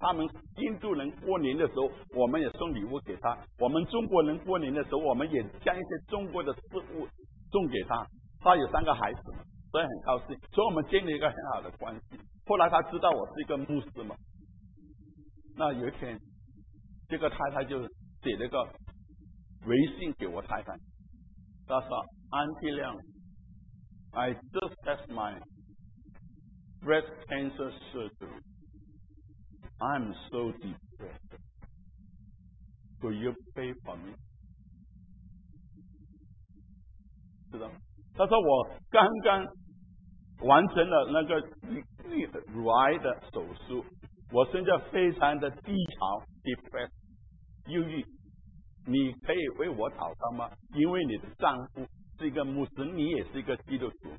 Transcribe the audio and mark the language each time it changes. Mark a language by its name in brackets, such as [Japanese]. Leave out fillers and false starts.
[Chinese] 他们印度人过年的时候，我们也送礼物给他。我们中国人过年的时候，我们也将一些中国的食物送给他。他有三个孩子，所以很高兴，所以我们建立一个很好的关系。后来他知道我是一个牧师嘛。那有一天这个太太就写了个微信给我太太，他说 [English] Auntie Leung， I just had my breast cancer surgery， I'm so depressed， Will you pray for me？ [Chinese] 知道吗？他说我刚刚完成了那个乳癌的手术，我现在非常的低潮 depressed 忧郁，你可以为我祷告吗？因为你的丈夫是一个牧师，你也是一个基督徒。